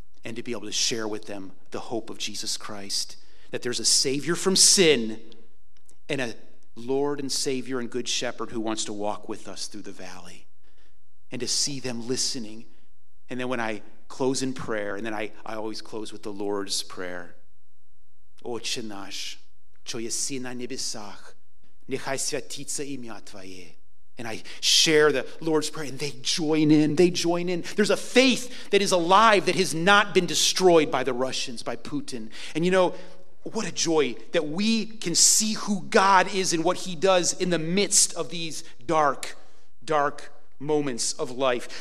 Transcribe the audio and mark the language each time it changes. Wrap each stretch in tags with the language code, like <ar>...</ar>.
<en>and to be able to share with them the hope of Jesus Christ, that there's a Savior from sin and a Lord and Savior and Good Shepherd who wants to walk with us through the valley, and to see them listening. And then when I close in prayer, and then I always close with the Lord's Prayer.</en> <uk>Отче наш, що єси на небесах, нехай святиться ім'я Твоє.</uk> <en>And I share the Lord's Prayer, and they join in, they join in. There's a faith that is alive, that has not been destroyed by the Russians, by Putin. And you know, what a joy that we can see who God is and what He does in the midst of these dark, dark moments of life.</en>